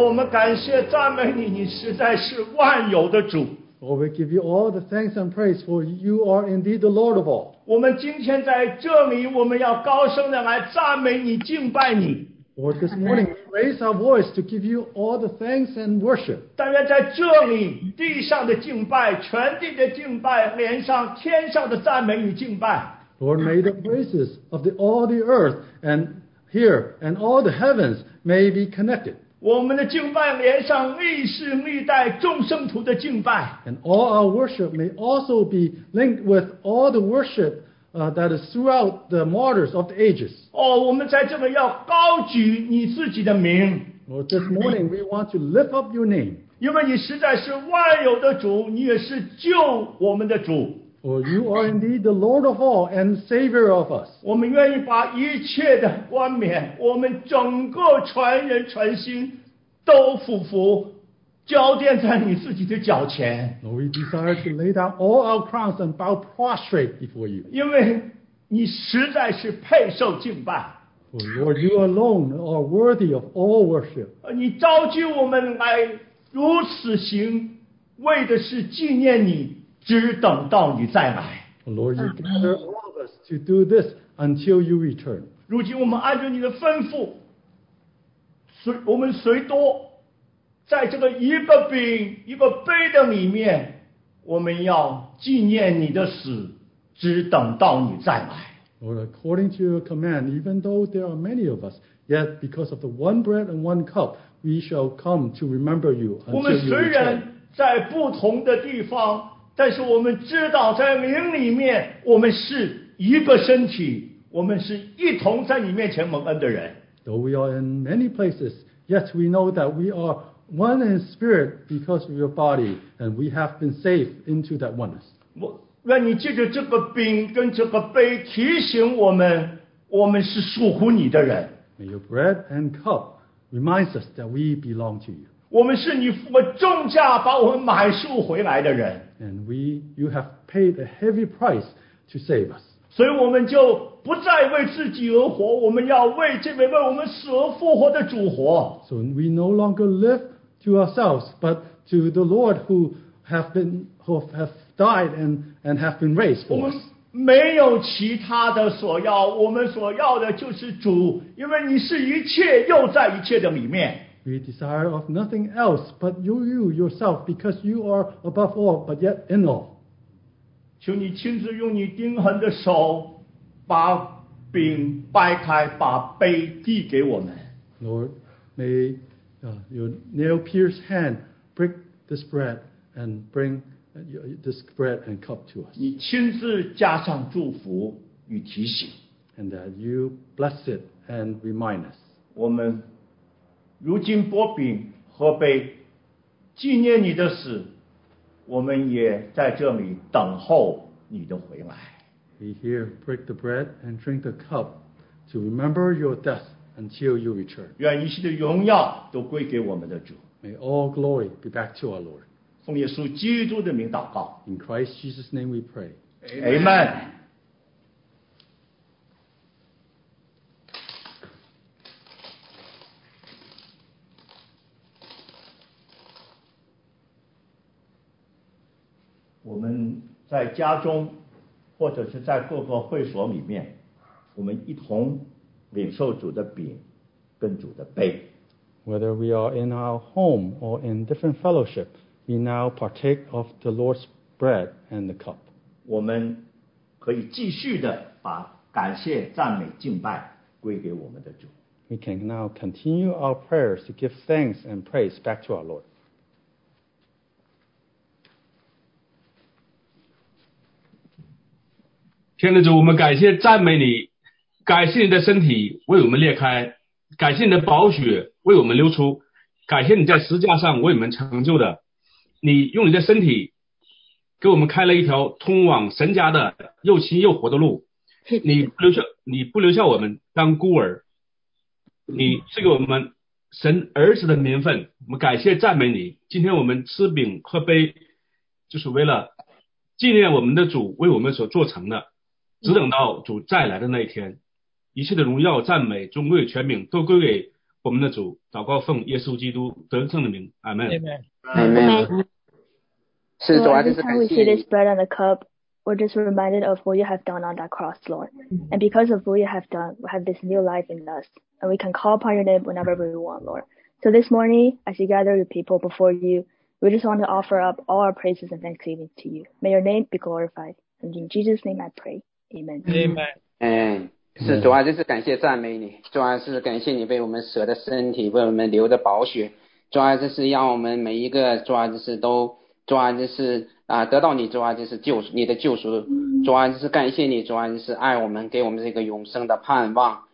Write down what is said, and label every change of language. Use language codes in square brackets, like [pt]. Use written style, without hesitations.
[zh] 感谢赞美你，你实在是万有的主。 [en] Lord, we give you all the thanks and praise, for you are indeed the Lord of all. [zh] 我们今天在这里，我们要高声的来赞美你，敬拜你。 [en] Lord, this morning, we raise our voice to give you all the thanks and worship. [zh] 大家在这里，地上的敬拜，全地的敬拜，连上天上的赞美与敬拜。 [en] Lord, may the praises of the, all the earth and here and all the heavens may be connected. [zh] 我们的敬拜连上历世历代众圣徒的敬拜。 [en] And all our worship may also be linked with all the worship that is throughout the martyrs of the ages. [zh] 哦，我们在这里要高举你自己的名。 [en] Lord, this morning we want to lift up your name. [zh] 因为你实在是万有的主，你也是救我们的主。 [en] For you are indeed the Lord of all and Savior of us. [zh] 我们愿意把一切的冠冕，我们整个全人全心都俯伏，交奠在你自己的脚前。 [en] Lord, we desire to lay down all our crowns and bow prostrate before you. [zh] 因为你实在是配受敬拜。 [en] For Lord, you alone are worthy of all worship. [zh] 你召集我们来如此行，为的是纪念你。只等到你再来。 [en] Lord, you gather all of us to do this until you return. [zh] 如今我们按照你的吩咐，我们随多，在这个一个饼一个杯的里面，我们要纪念你的死，只等到你再来。 [en] Lord, according to your command, even though there are many of us, yet because of the one bread and one cup, we shall come to remember you until you return. [zh] 我们虽然在不同的地方，但是我们知道在灵里面我们是一个身体，我们是一同在你面前蒙恩的人。 [en] Though we are in many places, yet we know that we are one in spirit because of your body, and we have been saved into that oneness. [zh] 愿你借着这个饼跟这个杯提醒我们，我们是属乎你的人。 [en] May your bread and cup remind us that we belong to you. [zh] 我们是你付重价把我们买赎回来的人。 [en] And we, you have paid a heavy price to save us. [zh] 所以我们就不再为自己而活，我们要为这位为我们死而复活的主活。 [en] So we no longer live to ourselves, but to the Lord who have been, who have died and have been raised for us. [zh] 我们没有其他的所要，我们所要的就是主，因为你是一切又在一切的里面。 [en] We desire of nothing else but you yourself, because you are above all, but yet in all. [zh] 求你亲自用你钉痕的手把饼掰开，把杯递给我们。 [en] Lord, may your nail-pierced hand break this bread and bring this bread and cup to us. [zh] 你亲自加上祝福与提醒。 [en] And that you bless it and remind us. [zh] 我们如今擘饼喝杯，纪念你的死，我们也在这里等候你的回来。 [en] We here break the bread and drink the cup to remember your death until you return. [zh] 愿一切的荣耀都归给我们的主。 [en] May all glory be back to our Lord. [zh] 奉耶稣基督的名祷告。 [en] In Christ Jesus' name we pray. Amen. Amen. [zh] 我们在家中或者是在各个会所里面，我们一同领受主的饼跟主的杯。 [en] Whether we are in our home or in different fellowship, we now partake of the Lord's bread and the cup. [zh] 我们可以继续的把感谢赞美敬拜归给我们的主。 [en] We can now continue our prayers to give thanks and praise back to our Lord. [zh] 天父主，我们感谢赞美你，感谢你的身体为我们裂开，感谢你的宝血为我们流出，感谢你在十字架上为我们成就的，你用你的身体给我们开了一条通往神家的又新又活的路，你不留下我们当孤儿，你赐给我们神儿子的名分，我们感谢赞美你。今天我们吃饼喝杯，就是为了纪念我们的主为我们所做成的。只等到主再来的那一天，一切的荣耀赞美尊贵全名都归给我们的主，祷告奉耶稣基督得胜的名，阿门。阿门。是主啊，这是感谢。 [en] This bread and the cup, we're just reminded of what you have done on that cross, Lord. And because of what you have done, we have this new life in us, and we can call upon your name whenever we want, Lord. So this morning, as you gather your people before you, we just want to offer up all our praises and thanksgiving to you. May your name be glorified. And in Jesus' name I pray. Amen. Amen. [zh] 是主啊，真是感谢赞美你。主啊，是感谢你为我们舍的身体，为我们流的宝血。主啊，这是让我们每一个主啊，这是都主啊，这是啊得到你主啊，这是救你的救赎。主啊，这是感谢你，主啊，这是爱我们，给我们这个永生的盼望。